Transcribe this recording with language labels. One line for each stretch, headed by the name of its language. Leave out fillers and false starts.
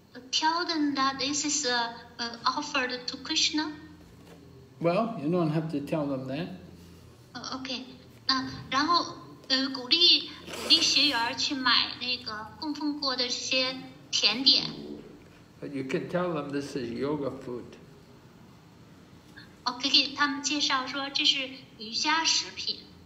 English: Tell them that this is offered to Krishna. Well, you don't have to tell them that. Okay.
Chinese: 然后鼓励学员去买那个供奉过的这些甜点。
English: But you can tell them this is yoga food.
Chinese: 我可以给他们介绍说这是瑜伽食品。